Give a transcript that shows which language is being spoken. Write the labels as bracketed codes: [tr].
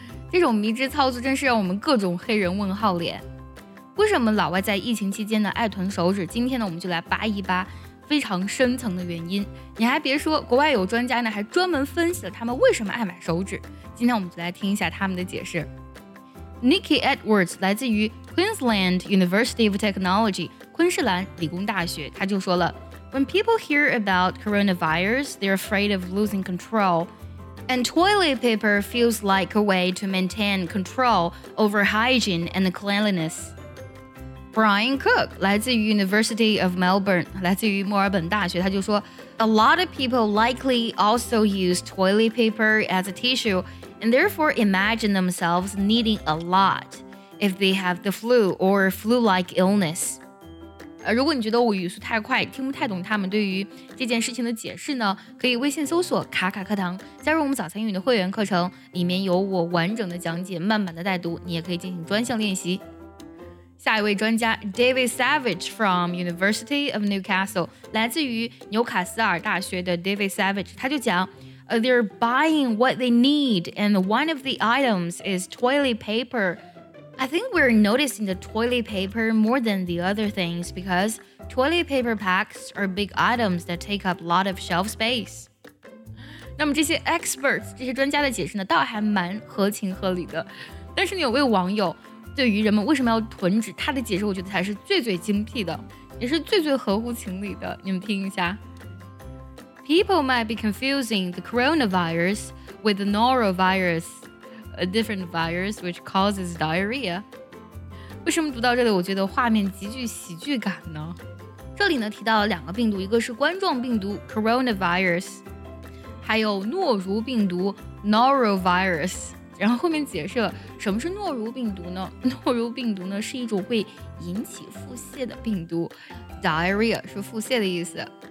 [zh] 这种迷之操作真是让我们各种黑人问号脸。为什么老外在疫情期间呢爱囤手纸？今天呢，我们就来扒一扒非常深层的原因。你还别说，国外有专家呢还专门分析了他们为什么爱买手纸。今天我们就来听一下他们的解释。 [en] Nikki Edwards [zh] 来自于 [en] Queensland University of Technology [zh] 昆士兰理工大学，他就说了 [en] ，When people hear about coronavirus, they're afraid of losing control. And toilet paper feels like a way to maintain control over hygiene and cleanliness. Brian Cook, [zh] 来自于 [en] University of Melbourne, [zh] 来自于墨尔本大学，他就说 [en] A lot of people likely also use toilet paper as a tissue and therefore imagine themselves needing a lot if they have the flu or flu-like illness. [zh] 如果你觉得我语速太快，听不太懂他们对于这件事情的解释呢，可以微信搜索卡卡课堂，加入我们早餐英语的会员课程，里面有我完整的讲解，慢慢的带读，你也可以进行专项练习。 [en] 下一位专家 David Savage from University of Newcastle, [zh] 来自于纽卡斯尔大学的 [en] David Savage, [zh] 他就讲 [en] They're buying what they need, and one of the items is toilet paper. I think we're noticing the toilet paper more than the other things because toilet paper packs are big items that take up a lot of shelf space. [zh] 那么这些 experts, 这些专家的解释呢倒还蛮合情合理的。但是呢有位网友对于人们为什么要囤纸他的解释我觉得才是最最精辟的也是最最合乎情理的。你们听一下。 [en] People might be confusing the coronavirus with the norovirus. A different virus which causes diarrhea. [zh] 为什么读到这里我觉得画面极具喜剧感呢？这里呢提到了两个病毒，一个是冠状病毒 coronavirus, 还有诺如病毒 norovirus. 然后后面解释了什么是诺如病毒呢？诺如病毒呢是一种会引起腹泻的病毒 ，diarrhea 是腹泻的意思。